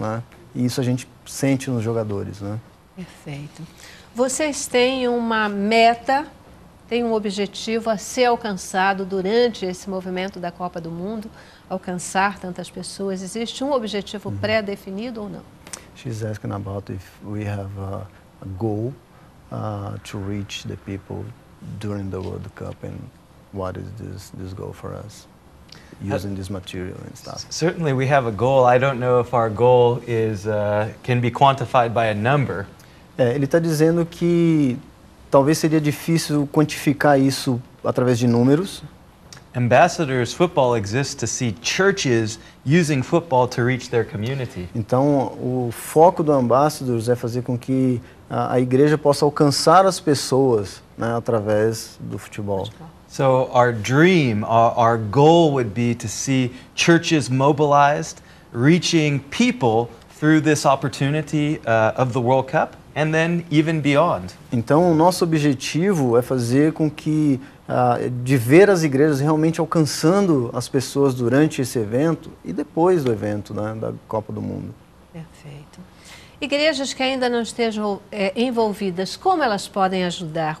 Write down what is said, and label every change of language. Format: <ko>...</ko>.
<pt>Né? E isso a gente sente nos jogadores, né? Perfeito. Vocês têm uma meta, têm um objetivo a ser alcançado durante esse movimento da Copa do Mundo, alcançar tantas pessoas? Existe um objetivo pré-definido ou não?</pt> <en>She's asking about if we have a goal to reach the people during the World Cup and what is this goal for us? Using this material and stuff. Certainly we have a goal. I don't know if our goal is can be quantified by a number.</en> <pt>Ele está dizendo que talvez seria difícil quantificar isso através de números.</pt> <en>Ambassadors football exists to see churches using football to reach their community.</en> <pt>Então, o foco do Ambassadors é fazer com que a igreja possa alcançar as pessoas, né, através do futebol.</pt> <en>So our dream, our goal would be to see churches mobilized, reaching people through this opportunity of the World Cup. And then even beyond.</en> <pt>Então, o nosso objetivo é fazer com que, de ver as igrejas realmente alcançando as pessoas durante esse evento e depois do evento, né, da Copa do Mundo. Perfeito. Igrejas que ainda não estejam envolvidas, como elas podem ajudar?</pt>